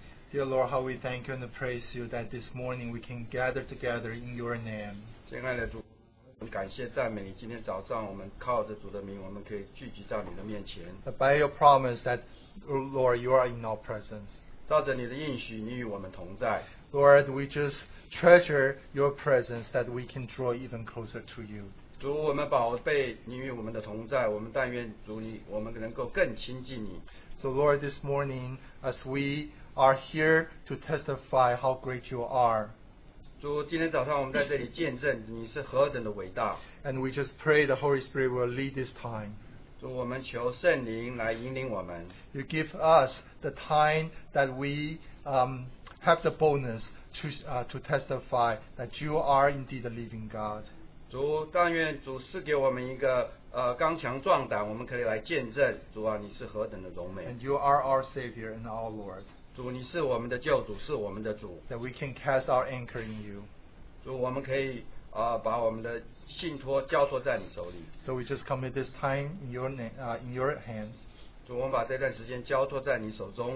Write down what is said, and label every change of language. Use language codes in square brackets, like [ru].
[en] Dear Lord, how we thank you and praise you that this morning we can gather together in your name. [zh] 亲爱的主, 我们感谢赞美你, 今天早上我们靠着主的名, 我们可以聚集到你的面前。 [en] By your promise that, Lord, you are in our presence. [zh] 照着你的应许, 你与我们同在。 [en] Lord, we just treasure your presence that we can draw even closer to you. [zh] 主, 我们宝贝, 你与我们的同在, 我们但愿主你, 我们能够更亲近你。 [en] So Lord, this morning, as we are here to testify how great you are. [zh] 主, 今天早上我们在这里见证你是何等的伟大。 [en] And we just pray the Holy Spirit will lead this time. [zh] 主, 我们求圣灵来引领我们。 [en] You give us the time that we have the boldness to testify that you are indeed the living God. [zh] 主, 但愿主赐给我们一个 刚强壮胆, 我们可以来见证, 主啊, [en] and you are our Savior and our Lord. [zh] 主, 你是我们的救主, 是我们的主, [en] that we can cast our anchor in you. [zh] 主, 我们可以, 把我们的信托, [en] so we just commit this time in your hands. [zh] 主, 我们把这段时间交托在你手中,